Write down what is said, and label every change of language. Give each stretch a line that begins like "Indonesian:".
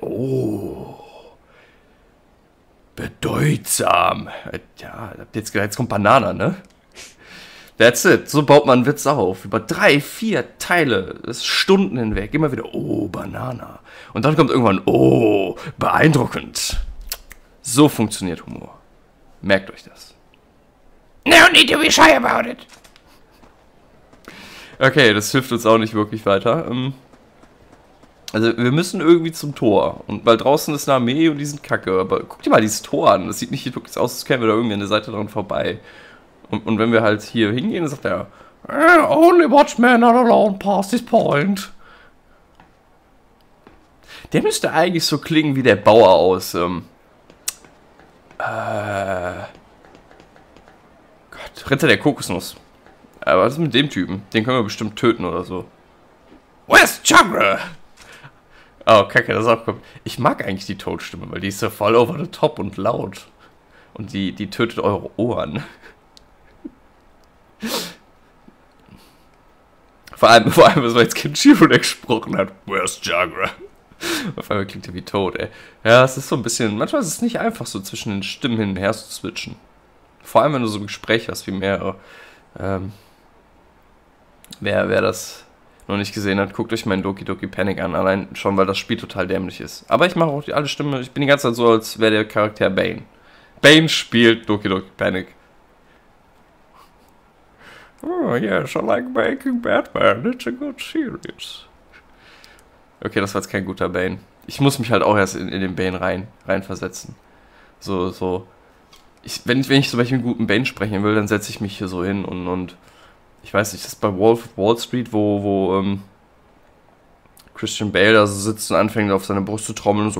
German: Oh. Bedeutsam. Ja, habt jetzt gesagt, jetzt kommt Banana, ne?
English: That's it,
German: so baut man einen Witz auf. Über 3-4 Teile, das ist Stunden hinweg, immer wieder, oh, Banana. Und dann kommt irgendwann, oh, beeindruckend. So funktioniert Humor. Merkt euch das.
English: No need to be shy about it.
German: Okay, das hilft uns auch nicht wirklich weiter. Also, wir müssen irgendwie zum Tor. Und weil draußen ist eine Armee und die sind kacke. Aber guck dir mal dieses Tor an. Das sieht nicht wirklich aus, als kämen wir da irgendwie an der Seite dran vorbei. Und wenn wir halt hier hingehen, dann sagt er,
English: only Watchmen are alone past this point.
German: Der müsste eigentlich so klingen wie der Bauer aus, Gott, Ritter der Kokosnuss. Aber was ist mit dem Typen? Den können wir bestimmt töten oder so.
English: Where's Chagra?
German: Oh, kacke, das ist auch cool. Ich mag eigentlich die Todstimme, weil die ist so voll
English: over the top
German: und laut. Und die tötet eure Ohren. Vor allem, was man jetzt Kenshiro gesprochen hat.
English: Where's Jagra?
German: Auf einmal klingt er wie tot, ey. Ja, es ist so ein bisschen... Manchmal ist es nicht einfach, so zwischen den Stimmen hin und her zu switchen. Vor allem, wenn du so ein Gespräch hast, wie mehrere. Wer das noch nicht gesehen hat, guckt euch meinen Doki Doki Panic an. Allein schon, weil das Spiel total dämlich ist. Aber ich mache auch alle Stimmen. Ich bin die ganze Zeit so, als wäre der Charakter Bane. Bane spielt Doki Doki Panic.
English: Oh, yes, I like making Batman. It's a good series.
German: Okay, das war jetzt kein guter Bane. Ich muss mich halt auch erst in den Bane reinversetzen. So. Wenn ich zum Beispiel einen guten Bane sprechen will, dann setze ich mich hier so hin und ich weiß nicht, das ist bei Wolf of Wall Street, wo Christian Bale da so sitzt und anfängt auf seine Brust zu trommeln und so.